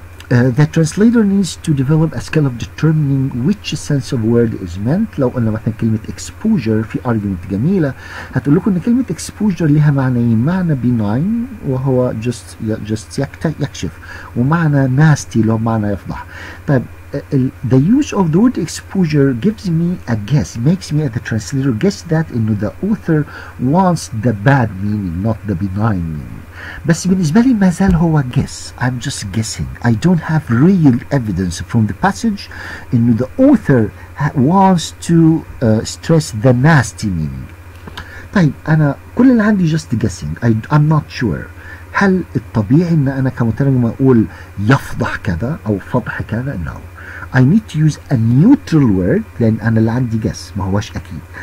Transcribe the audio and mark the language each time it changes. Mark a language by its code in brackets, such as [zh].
[en] The translator needs to develop a skill of determining which sense of word is meant. [ar] لو قلنا مثلا كلمة exposure في argument جميلة هتقول لكم ان كلمة exposure لها معنيين, معنى benign وهو just يكشف, ومعنى nasty لو معنى يفضح. [en] طيب the use of the word exposure gives me a guess, makes me the translator guess that انه the author wants the bad meaning not the benign meaning. [ar] بس بالنسبة لي ما زال هو [en] guess, I'm just guessing, I don't have real evidence from the passage in the author wants to stress the nasty meaning. [ar] طيب أنا كل اللي عندي [en] just guessing, I'm not sure. [ar] هل الطبيعي أن أنا كمترجم أقول يفضح كذا أو فضح كذا؟ [en] No, I need to use a neutral word, [ar] لأن أنا اللي عندي guess ما هوش أكيد.